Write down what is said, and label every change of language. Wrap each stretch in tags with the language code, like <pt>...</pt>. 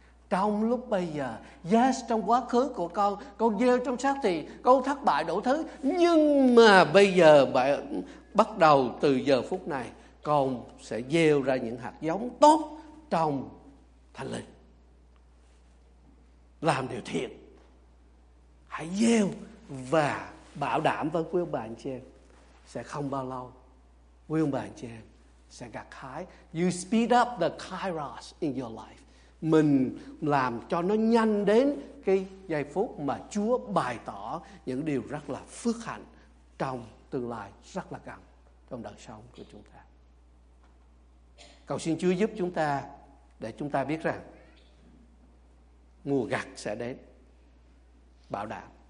<vi>Trong lúc bây giờ, yes, trong quá khứ của con gieo trong xác thịt, con thất bại đủ thứ, nhưng mà bây giờ bắt đầu từ giờ phút này, con sẽ gieo ra những hạt giống tốt trong Thánh Linh. Làm điều thiện. Hãy gieo và bảo đảm với quý ông bà anh chị em, sẽ không bao lâu quý ông bà anh chị em sẽ gặt hái.</vi> <en>You speed up the kairos in your life.</en> <vi>Mình làm cho nó nhanh đến cái giây phút mà Chúa bày tỏ những điều rất là phước hạnh trong tương lai rất là gần trong đời sống của chúng ta. Cầu xin Chúa giúp chúng ta để chúng ta biết rằng mùa gặt sẽ đến, bảo đảm.</vi>